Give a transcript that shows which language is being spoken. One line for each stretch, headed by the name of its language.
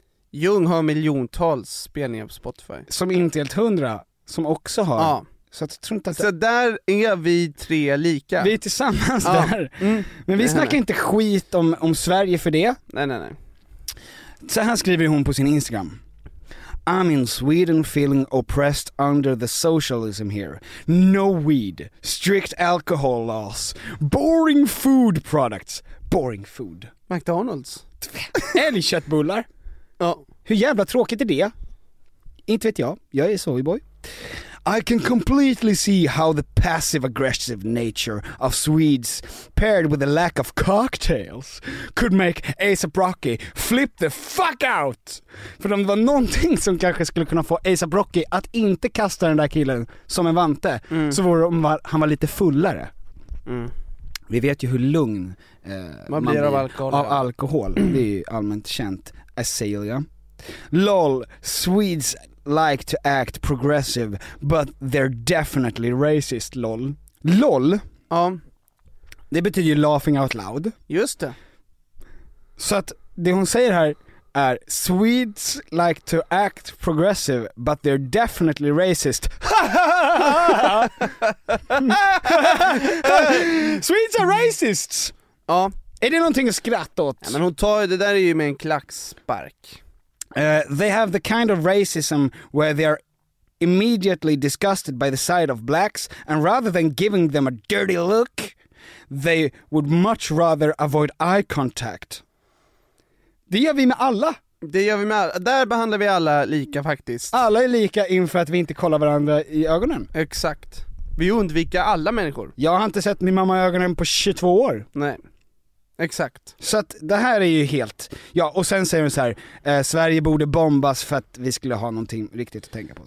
Swedish: Jung har miljontals spelningar på Spotify. Som inte helt hundra, som också har. Ja. Så, att, tror inte att det... Så där är vi tre lika. Vi är tillsammans ja. Där. Mm. Men vi snackar inte skit om Sverige för det. Nej, nej, nej. Så här skriver hon på sin Instagram.
English: I'm in Sweden feeling oppressed under the socialism here. No weed, strict alcohol laws, boring food products. Boring food. McDonald's.
Swedish: Älgköttbullar. Ja. Hur jävla tråkigt är det? Inte vet jag. Jag är soyboy.
English: I can completely see how the passive-aggressive nature of Swedes paired with a lack of cocktails could make A$AP Rocky flip the fuck out.
Swedish: För om det var någonting som kanske skulle kunna få A$AP Rocky att inte kasta den där killen som en vante, så vore han var lite fullare. Mm. Vi vet ju hur lugn man blir av alkohol. Av alkohol. Det är ju allmänt känt. Azealia.
English: Lol, Swedes like to act progressive, but they're definitely racist, lol. Lol?
Swedish: Ja. Det betyder ju
English: laughing out loud.
Swedish: Just det. Så att det hon säger här är
English: Swedes like to act progressive, but they're definitely racist. Swedes are racists!
Swedish: Ja. Är det någonting att skratta åt? Ja, men hon tar det där är ju med en klackspark.
English: They have the kind of racism where they are immediately disgusted by the sight of blacks, and rather than giving them a dirty look, they would much rather avoid eye contact.
Swedish: Det gör vi med alla. Det gör vi med alla. Där behandlar vi alla lika faktiskt. Alla är lika inför att vi inte kollar varandra i ögonen. Exakt. Vi undviker alla människor. Jag har inte sett min mamma i ögonen på 22 år. Nej. Exakt. Så att det här är ju helt. Ja, och sen säger hon så här, Sverige borde bombas för att vi skulle ha någonting riktigt att tänka på.